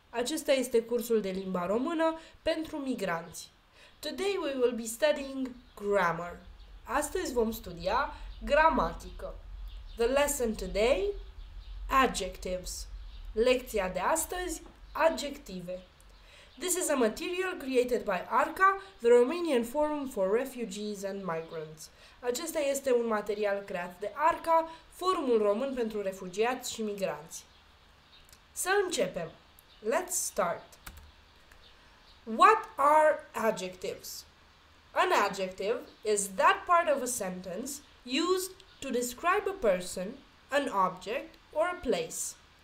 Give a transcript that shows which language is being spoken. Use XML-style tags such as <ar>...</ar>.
<ro>Acesta este cursul de limba română pentru migranți.</ro> <en>Today we will be studying grammar.</en> <ro>Astăzi vom studia gramatică.</ro> <en>The lesson today, adjectives.</en> <ro>Lecția de astăzi, adjective.</ro> <en>This is a material created by ARCA, the Romanian Forum for Refugees and Migrants.</en> <ro>Acesta este un material creat de ARCA, Forumul Român pentru Refugiați și Migranți. Să începem!</ro> <en>Let's start! What are adjectives? An adjective is that part of a sentence used to describe a person, an object, or a place.</en>